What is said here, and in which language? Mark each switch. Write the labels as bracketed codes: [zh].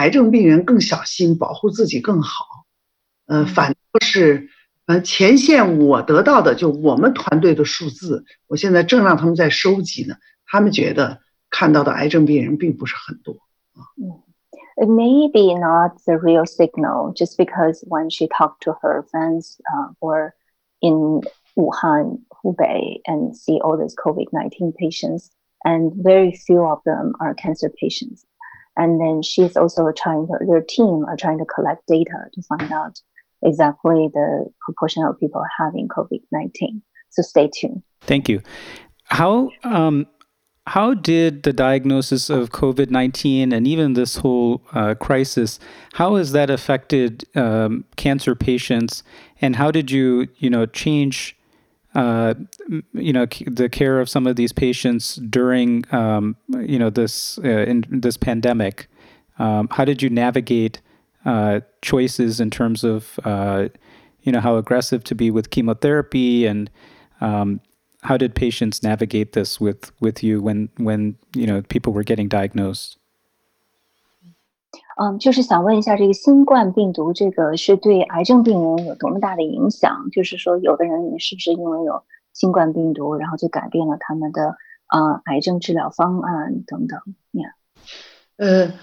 [zh] 我们当时发那篇文章是基于国内的一篇文章，就是他在有一个18个病人，他的发病率。但是后来我们问了前线，就在前线的我们中医界的这些人，他们觉得很少见到癌症病人，就是整体来说，你想8万就算1%还是见的很少的。而我这2000多病人没有一例得，我们在分析这个原因，觉得有可能癌症病人更小心，保护自己更好。反倒是前线我得到的就我们团队的数字，我现在正让他们在收集呢，他们觉得看到的癌症病人并不是很多。It [en] may be not the real signal, just because when she talked to her friends or in Wuhan, Hubei, and see all these COVID-19 patients, and very few of them are cancer patients. And then she's also trying to, their team are trying to collect data to find out exactly the proportion of people having COVID-19. So stay tuned. Thank you. How did the diagnosis of COVID-19 and even this whole crisis, how has that affected cancer patients? And how did you, change, the care of some of these patients during, this pandemic? How did you navigate choices in terms of, how aggressive to be with chemotherapy, and how did patients navigate this with you when people were getting diagnosed? [zh] 就是想问一下这个新冠病毒这个是对癌症病人有多么大的影响？就是说，有的人是不是因为有新冠病毒，然后就改变了他们的癌症治疗方案等等？Yeah.